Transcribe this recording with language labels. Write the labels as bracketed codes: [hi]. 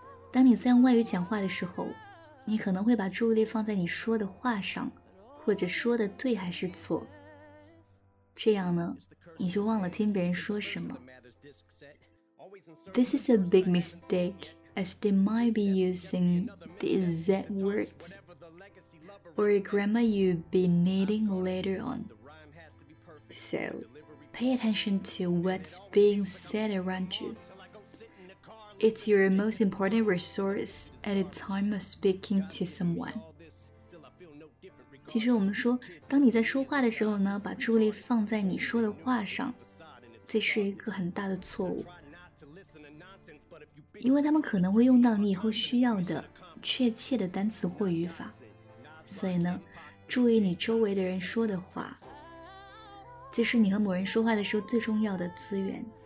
[zh] 当你在用外语讲话的时候，你可能会把注意力放在你说的话上，或者说的对还是错，这样呢你就忘了听别人说什么。 [en] This is a big mistake as they might be using the exact words or a grammar you'll be needing later on. So pay attention to what's being said around youIt's your most important resource at the time of speaking to someone. [zh] 其实我们说，当你在说话的时候呢，把注意力放在你说的话上，这是一个很大的错误。因为他们可能会用到你以后需要的确切的单词或语法。所以呢，注意你周围的人说的话，这是你和某人说话的时候最重要的资源。